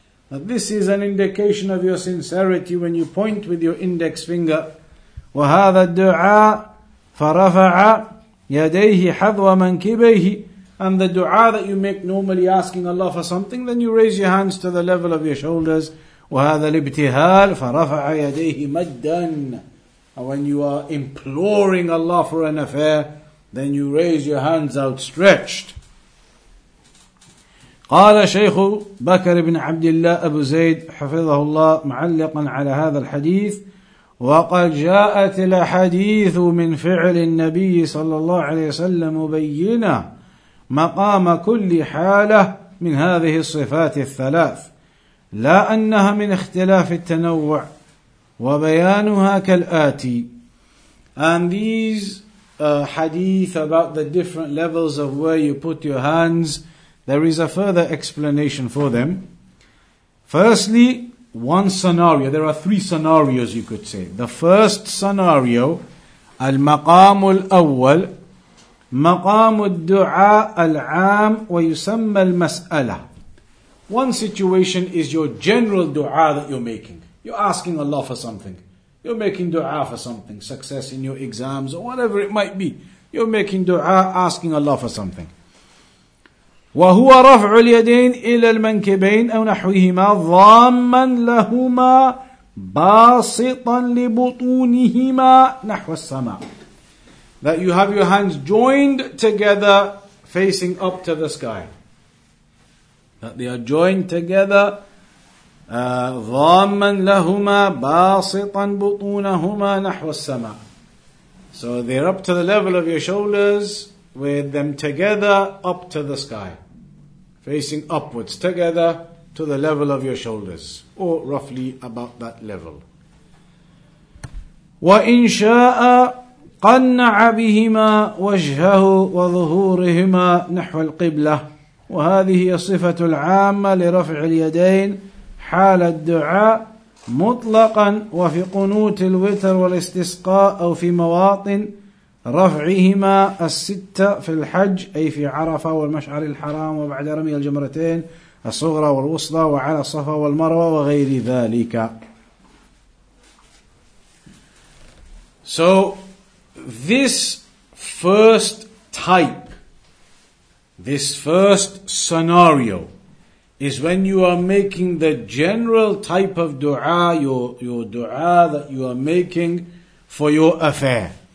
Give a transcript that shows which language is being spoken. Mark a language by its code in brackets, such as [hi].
[en] This is an indication of your sincerity when you point with your index finger. [ar] وَهَذَا الدُّعَاءِ فَرَفَعَ يَدَيْهِ حَذْوَ مَنْكِبَيْهِ. [en] And the dua that you make normally asking Allah for something, then you raise your hands to the level of your shoulders. [ar] وهذا الابتهال فرفع يديه مدا. [en] When you are imploring Allah for an affair, then you raise your hands outstretched. [ar] قال شيخ بكر بن عبد الله أبو زيد حفظه الله معلقا على هذا الحديث وقد جاءت الحديث من فعل النبي صلى الله عليه وسلم مبينة مقام كل حالة من هذه الصفات الثلاث لا أنها من اختلاف التنوع وبيانها كالآتي. [en] And these hadith about the different levels of where you put your hands, there is a further explanation for them. Firstly, one scenario. There are three scenarios, you could say. The first scenario, [ar] المقام الأول, مقام الدعاء العام ويسمى المسألة. [en] One situation is your general dua that you're making. You're asking Allah for something. You're making dua for something, success in your exams or whatever it might be. You're making dua, asking Allah for something. [ar] وهو رفع اليدين إلى المنكبين أو نحوهما ضاما لهما باسطا لبطونهما نحو السماء. [en] That you have your hands joined together facing up to the sky. That they are joined together [ar] ضاما لهما باسطا بطونهما نحو السماء. [en] So they're up to the level of your shoulders with them together up to the sky. Facing upwards, together to the level of your shoulders, or roughly about that level. [ar] وَإِنْ شَاءَ قَنَّعَ بِهِمَا وَجْهَهُ وَظُهُورِهِمَا نَحْوَ الْقِبْلَةِ وَهَذِهِ صِفَةُ الْعَامَّةِ لِرَفْعِ الْيَدَيْنِ حَالَ الدُّعَاءِ مُطْلَقًا وَفِي قُنُوتِ الْوِتْرِ وَالِاسْتِسْقَاءِ أَوْ فِي مَوَاطِنِ رفعهما الستة في الحج أي في عرفة والمشعر الحرام وبعد رمي الجمرتين الصغرى والوسطى وعلى الصفا والمروة وغير ذلك. [en] So this first type, this first scenario is when you are making the general type of dua, your dua that you are making for your affair.